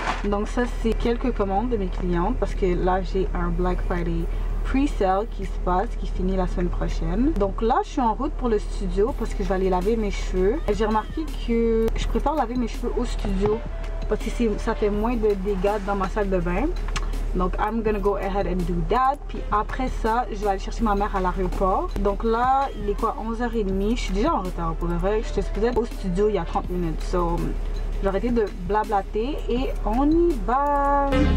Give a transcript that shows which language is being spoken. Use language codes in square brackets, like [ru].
[fr] Donc ça c'est quelques commandes de mes clientes, parce que là j'ai un Black Friday pre-sale qui se passe, qui finit la semaine prochaine. Donc là je suis en route pour le studio parce que je vais aller laver mes cheveux. J'ai remarqué que je préfère laver mes cheveux au studio parce que ça fait moins de dégâts dans ma salle de bain. [en] Donc I'm gonna go ahead and do that. [fr] Puis après ça je vais aller chercher ma mère à l'aéroport. Donc là il est quoi, 11h30, je suis déjà en retard pour le vrai. J'étais supposée être au studio il y a 30 minutes, so j'arrêtais de blablater et on y va.